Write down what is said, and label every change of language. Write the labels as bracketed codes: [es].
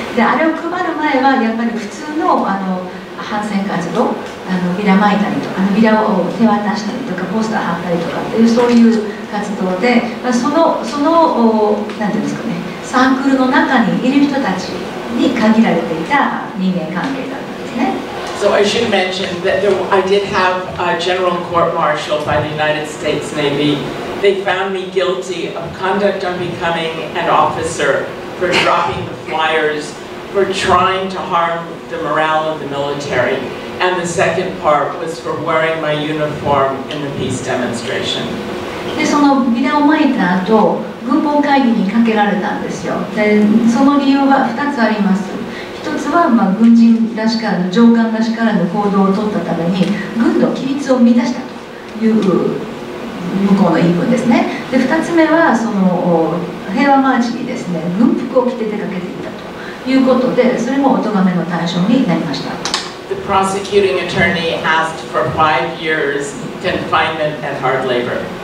[ja] で、あれを配る前はやっぱり普通 の, 反戦活動、ビラ撒いたりとか、ビラを手渡したりとか、ポスター貼ったりとかっていうそういう活動で、その何て言うんですかね、サークルの中にいる人たちに限られていた人間関係だったんですね。 [en] So I should mention that I did have a general court-martial by the United States Navy. They found me guilty of conduct unbecoming an officer for dropping the flyers, for trying to harm the morale of the military. And the second part was for wearing my uniform in the peace demonstration. [ja] で、そのビラを撒いた後、軍法会議にかけられたんですよ。で、その理由は2つあります。一つは、まあ、軍人らしからぬ、上官らしからぬ行動を取ったために軍の規律を乱したという向こうの言い分ですね。で、二つ目はその平和マーチにですね、軍服を着て出かけていったということで、それもお咎めの対象になりました。 [en] The prosecuting attorney asked for 5 years confinement and hard labor.